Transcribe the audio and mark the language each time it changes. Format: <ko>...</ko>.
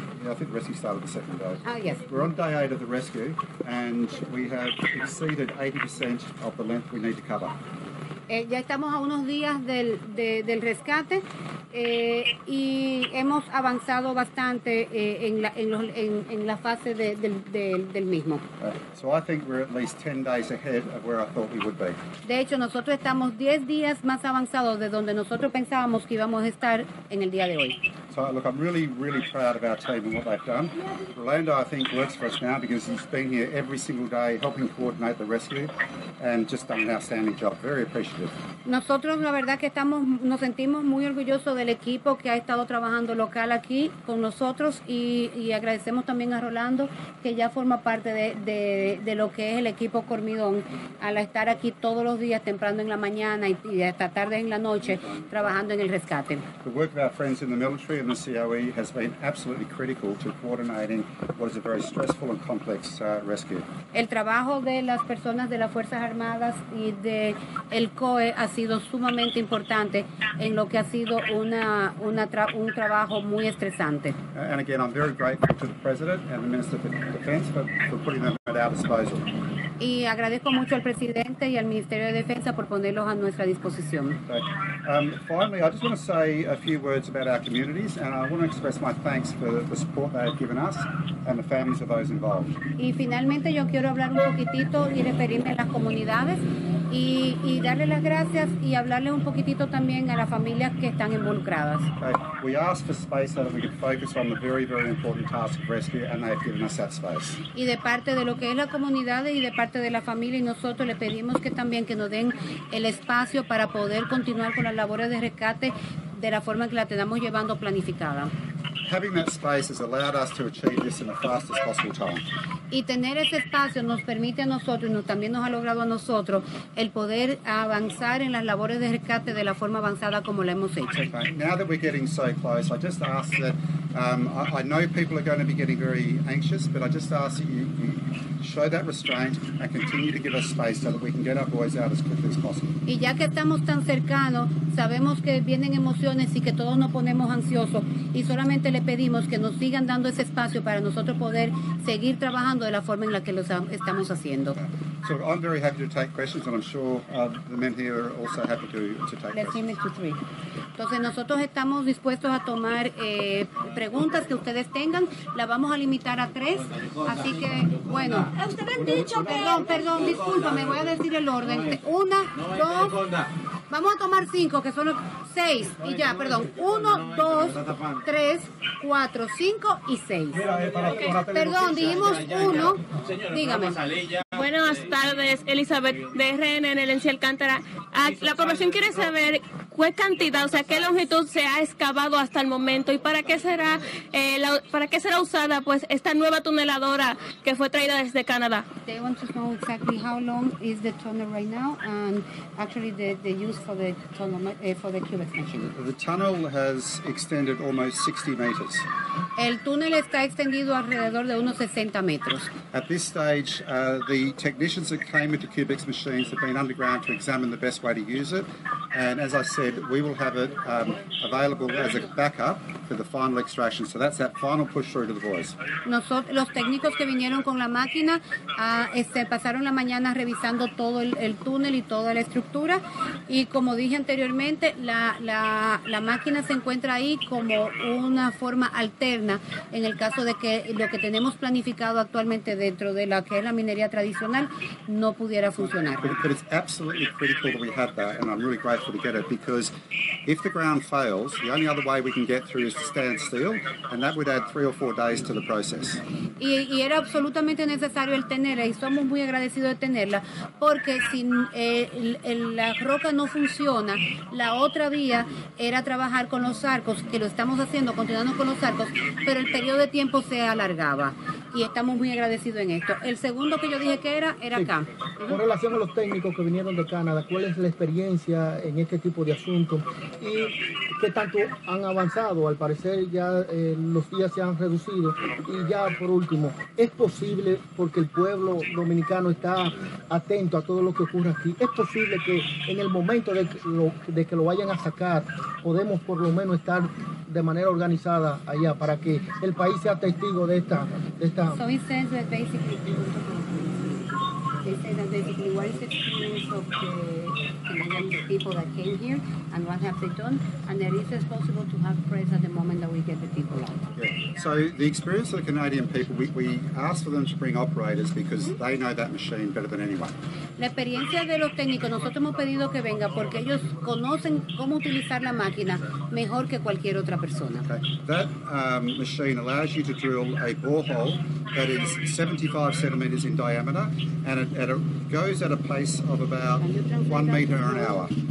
<en>Yeah, I think the rescue started the second day. Oh, yes. We're on day 8 of the rescue, and we have exceeded 80% of the length we need to cover.</en> <es>Ya estamos a unos días del rescate y hemos avanzado bastante en la fase del mismo.</es> <en>So I think we're at least 10 days ahead of where I thought we would be.</en> <es>De hecho, nosotros estamos 10 días más avanzados de donde nosotros pensábamos que íbamos a estar en el día de hoy.</es> <en>So look, I'm really, really proud of our team and what they've done. Rolando, I think, works for us now because he's been here every single day helping coordinate the rescue and just done an outstanding job. Very appreciative.</en> <es>Nosotros la verdad que estamos, nos sentimos muy orgullosos del equipo que ha estado trabajando local aquí con nosotros y agradecemos también a Rolando que ya forma parte de lo que es el equipo Cormidón al estar aquí todos los días temprano en la mañana y hasta tarde en la noche trabajando en el rescate.</es> <en>The work of our friends in the military and the COE has been absolutely critical to coordinating what is a very stressful and complex rescue.</en> <es>El trabajo de las personas de las Fuerzas Armadas y de el COE ha sido sumamente importante en lo que ha sido un trabajo muy estresante.</es> <en>And again, I'm very grateful to the President and the Minister for Defense for putting them at our disposal.</en> <es>Y agradezco mucho al Presidente y al Ministerio de Defensa por ponerlos a nuestra disposición.</es> <en>Finally, I just want to say a few words about our communities and I want to express my thanks for the support they have given us and the families of those involved.</en> <es>Y finalmente yo quiero hablar un poquitito y referirme a las comunidades y darle las gracias y hablarle un poquitito también a las familias que están involucradas.</es> <en>Okay. We asked for space so that we could focus on the very, very important task of rescue and they have given us that space.</en> <es>Y de parte de lo que es la comunidad y de parte de la familia y nosotros le pedimos que también que nos den el espacio para poder continuar con las labores de rescate de la forma que la tenemos llevando planificada.</es> <en>Having that space has allowed us to achieve this in the fastest possible time.</en> <es>Y tener ese espacio nos permite a nosotros, también nos ha logrado a nosotros, el poder avanzar en las labores de rescate de la forma avanzada como la hemos hecho.</es> <en>Okay. Now that we're getting so close, I just ask that, I know people are going to be getting very anxious, but I just ask that you show that restraint and continue to give us space so that we can get our boys out as quickly as possible.</en> <es>Y ya que estamos tan cercanos, sabemos que vienen emociones y que todos nos ponemos ansiosos y solamente le pedimos que nos sigan dando ese espacio para nosotros poder seguir trabajando de la forma en la que lo estamos haciendo.</es> <en>So I'm very happy to take questions and I'm sure the men here are also happy to take Let's questions. Let's see Mr. Three.</en> <es>Entonces nosotros estamos dispuestos a tomar preguntas que ustedes tengan. La vamos a limitar a 3. Así que, bueno. Perdón, disculpa, me voy a decir el orden. 1, 2. Vamos a tomar 5, que son 6. Y ya, perdón. 1, 2, 3, 4, 5 y 6. Perdón, dijimos 1. Dígame. Buenas tardes, Elizabeth, de RNN, El Enciel Cántara. La población quiere saber ¿Cuál cantidad, o sea, qué longitud se ha excavado hasta el momento y para qué será usada pues esta nueva tuneladora que fue traída desde Canadá?</es> <en>They want to know exactly how long is the tunnel right now and actually the use for the tunnel for the cubic machine. The tunnel has extended almost 60 meters.</en> <es>El túnel está extendido alrededor de unos 60 metros.</es> <en>At this stage, the technicians that came into cubic machines have been underground to examine the best way to use it, and as I said, we will have it available as a backup for the final extraction. So that's that final push through to the boys.</en> <es>Los técnicos que vinieron con la máquina pasaron la mañana revisando todo el túnel y toda la estructura, y como dije anteriormente, la máquina se encuentra ahí como una forma alterna en el caso de que lo que tenemos planificado actualmente dentro de la que es la minería tradicional no pudiera funcionar.</es> <en>But it's absolutely critical that we have that, and I'm really grateful to get it, because if the ground fails, the only other way we can get through is to stand still, and that would add 3 or 4 days to the process.</en> <es>Y era absolutamente necesario el tenerla, y somos muy agradecidos de tenerla, porque si la roca no funciona, la otra vía era trabajar con los arcos, que lo estamos haciendo, continuando con los arcos, pero el periodo de tiempo se alargaba, y estamos muy agradecidos en esto. El segundo que yo dije que era sí. Acá. Con relación a los técnicos que vinieron de Canadá, ¿cuál es la experiencia en este tipo de asuntos? ¿Y qué tanto han avanzado? Al parecer ya los días se han reducido, y ya por último, ¿es posible, porque el pueblo dominicano está atento a todo lo que ocurre aquí, es posible que en el momento de que lo vayan a sacar, podemos por lo menos estar de manera organizada allá para que el país sea testigo de esta?</es> <en>So he says that basically what is the experience of the Canadian people that came here and what have they done, and that is possible to have press at the moment that we get the people out. Yeah. So the experience of the Canadian people, we asked for them to bring operators because they know that machine better than anyone.</en> <es>La experiencia de los técnicos, nosotros hemos pedido que venga porque ellos conocen cómo utilizar la máquina mejor que cualquier otra persona.</es> <en>Okay. That machine allows you to drill a borehole that is 75 centimeters in diameter, and it goes at a pace of about 1 meter an hour.</en>